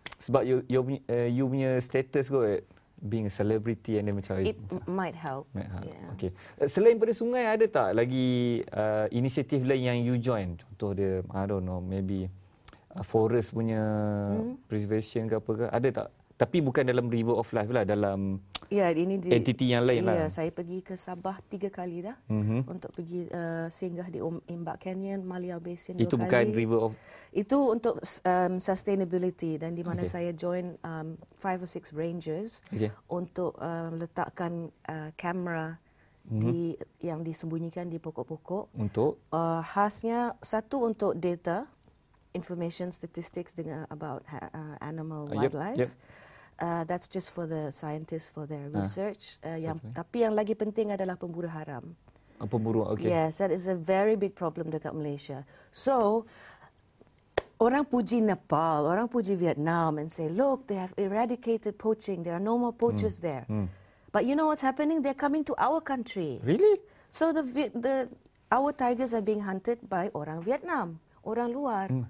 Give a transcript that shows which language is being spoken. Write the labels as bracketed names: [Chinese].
[Malay] Sebab you punya status kot. Being a celebrity and then macam [English] it might help. [Malay] Okay. Selain pada sungai ada tak lagi inisiatif lain yang you join? Contoh dia, [English] I don't know, [Malay] maybe forest punya preservation ke apa ke? Ada tak? Tapi bukan dalam River of Life lah, dalam entiti yang lain lah. Ya, saya pergi ke Sabah 3 kali dah untuk pergi singgah di Imbak Canyon, Malia Basin 2 kali. Itu bukan River of? Itu untuk sustainability dan di mana saya join 5 or 6 rangers untuk letakkan kamera di yang disembunyikan di pokok-pokok. Untuk khasnya satu untuk data, information statistics dengan about animal wildlife. [English] That's just for the scientists for their research. [Malay] Tapi yang lagi penting adalah pemburu haram. Pemburu, okay. [English] Yes, that is a very big problem dekat Malaysia. [Malay] So orang puji Nepal, orang puji Vietnam [English] and say, look, they have eradicated poaching. There are no more poachers there. But you know what's happening? They're coming to our country. Really? So the our tigers are being hunted by [Malay] orang Vietnam, orang luar.